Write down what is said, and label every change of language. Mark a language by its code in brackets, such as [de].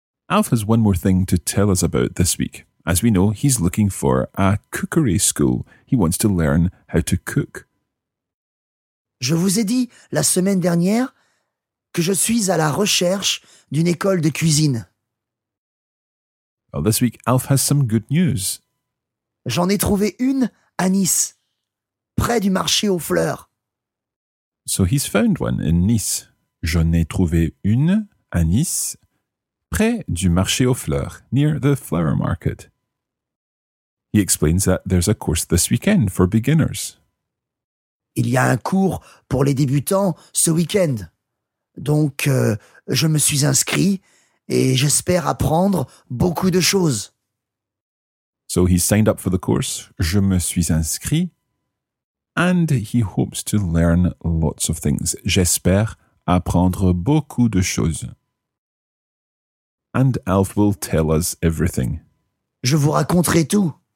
[en] Alf has one more thing to tell us about this week. As we know, he's looking for a cookery school. He wants to learn how to cook. [fr] Je vous ai dit la semaine dernière que je suis à la recherche d'une école de cuisine. [en] Well, this week, Alf has some good news. [fr] J'en ai trouvé une à Nice, près du marché aux fleurs. [en] So he's found one in Nice. [fr] J'en ai trouvé une à Nice, près du marché aux fleurs, [en] near the flower market. He explains that there's a course this weekend for beginners. [fr] Il y a un cours pour les débutants ce week-end. Donc, je me suis inscrit et j'espère apprendre beaucoup de choses. [en] So he's signed up for the course, [fr] je me suis inscrit, [en] and he hopes to learn lots of things. [fr] J'espère apprendre beaucoup de choses. [en] And Alf will tell us everything. [fr] Je vous raconterai tout.